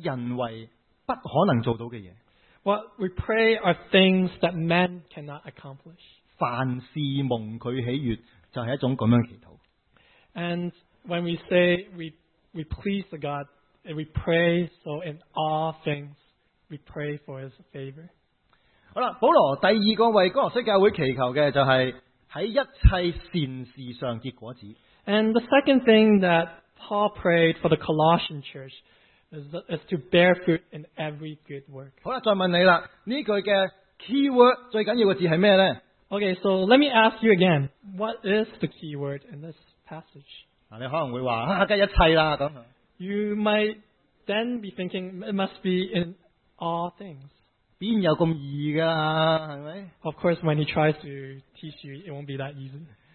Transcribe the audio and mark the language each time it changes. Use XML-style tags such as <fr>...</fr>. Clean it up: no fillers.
<zh>祈祷可以求的就是一些人为不可能做到的东西。</zh> <en>What we pray are things that men cannot accomplish.</en> <zh>凡事蒙祂喜悦就是一种这样祈祷。</zh> <en>And when we say we please the God, and we pray so in all things, we pray for His favor.</en> <zh>好了,保罗第二个为哥罗西教会祈求的就是 在一切善事上结果子。</zh> <en>And the second thing that Paul prayed for the Colossian church is to bear fruit in every good work.</en> <zh>好了,再问你了,这句的keyword最重要的字是什么呢?</zh> <en>Okay, so let me ask you again, what is the keyword in this passage?</en> <zh>你可能会说,当然一切了。</zh> <en>You might then be thinking, it must be in all things.</en> <zh>哪有这么容易的?</zh> <en>Of course, when he tries to teach you, it won't be that easy.</en>